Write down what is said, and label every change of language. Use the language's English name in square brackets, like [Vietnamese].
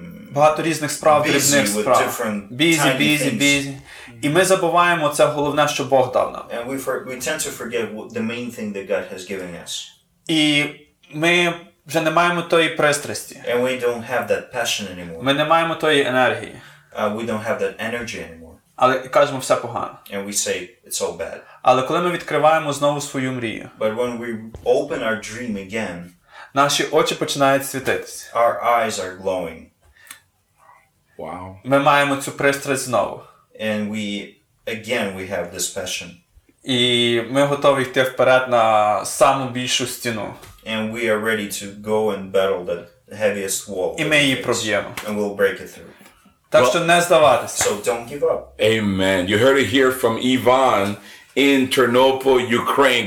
[Ukrainian] багато різних справ, дрібних справ. [English] Busy. [Ukrainian] І ми забуваємо це головне, що Бог дав нам. [English] And we tend to forget the main thing that God has given us. [Ukrainian] І ми вже не маємо тої пристрасті. [English] And we don't have that passion anymore. [Ukrainian] Ми не маємо тої енергії. [English] We don't have that energy anymore. [Ukrainian] Але кажемо, все погано. [English] And we say, it's all bad. [Ukrainian] Але коли ми відкриваємо знову свою мрію, [English] but when we open our dream again, [Ukrainian] наші очі починають світитись. [English] Our eyes are glowing. Wow. [Ukrainian] Ми маємо цю пристрасть знову. [English] And we, again, we have this passion. [Ukrainian] І ми готові йти вперед на саму більшу стіну. [English] And we are ready to go and battle the heaviest wall. [Ukrainian] І ми її проб'ємо. [English] And we'll break it through. [Ukrainian] Так що не здаватися. [English] So don't give up. Amen. You heard it here from Ivan in Ternopil, Ukraine.